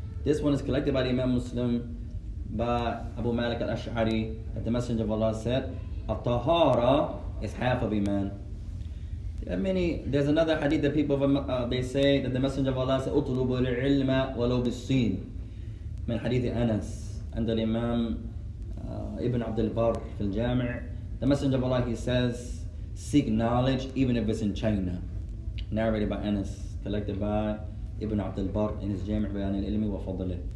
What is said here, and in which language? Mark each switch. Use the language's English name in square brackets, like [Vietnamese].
[English] This one is collected by the Imam Muslim, by Abu Malik al-Ash'ari, that the Messenger of Allah said, At-Tahara is half of iman. There's another hadith that people, they say, that the Messenger of Allah said, [Arabic] Utlubu al-ilma walau bis-seen. من حديث أنس عند الإمام ابن عبد البر في الجامع. [English] The Messenger of Allah, he says, seek knowledge even if it's in China. Narrated by Anas, collected by ibn عبد البر in his جامع بيان العلم وفضله.